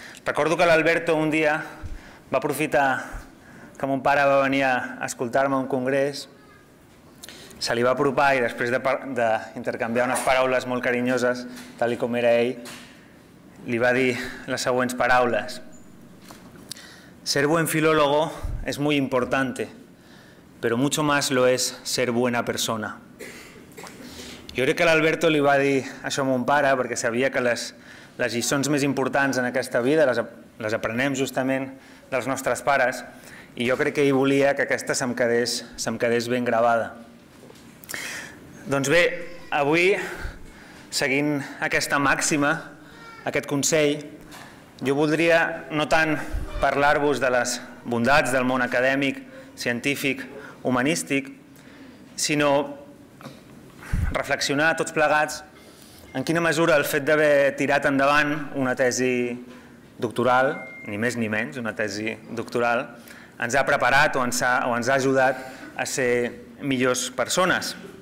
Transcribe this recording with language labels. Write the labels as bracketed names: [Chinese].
[Catalan] Recordo que l'Alberto un dia va aprofitar que mon pare va venir a escoltar-me a un congrés, se li va apropar i després d'intercanviar unes paraules molt carinyoses, tal com era ell, li va dir les següents paraules. [Spanish] Ser buen filólogo es muy importante, pero mucho más lo es ser buena persona. [Catalan] Jo crec que l'Alberto li va dir això a mon pare perquè sabia que les lliçons més importants en aquesta vida les aprenem justament dels nostres pares, i jo crec que ell volia que aquesta se'm quedés ben gravada. Doncs bé, avui, seguint aquesta màxima, aquest consell, jo voldria no tant parlar-vos de les bondats del món acadèmic, científic, humanístic, sinó reflexionar tots plegats en quina mesura el fet d'haver tirat endavant una tesi doctoral, ni més ni menys, una tesi doctoral, ens ha preparat o ens ha ajudat a ser millors persones.